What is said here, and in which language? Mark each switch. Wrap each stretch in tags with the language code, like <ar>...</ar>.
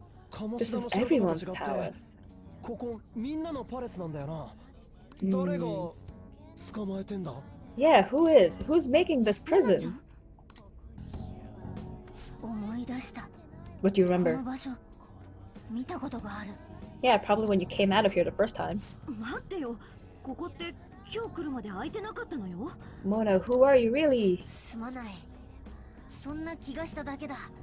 <ja>カモシダの生徒たちがって、ここみんなのパレスなんだよな。誰が捕まえてんだ？</ja> <en>Yeah, who is? Who's making this prison?</en> <ja>思い出した。</ja> <en>What do you remember?</en> <ja>この場所見たことがある。</ja> <en>Yeah, probably when you came out of here the first time.</en> <ja>待ってよ。ここって今日来るまで空いてなかったのよ。</ja> <en>Mona, who are you really?</en> <ja>すまない。そんな気がしただけだ。</ja>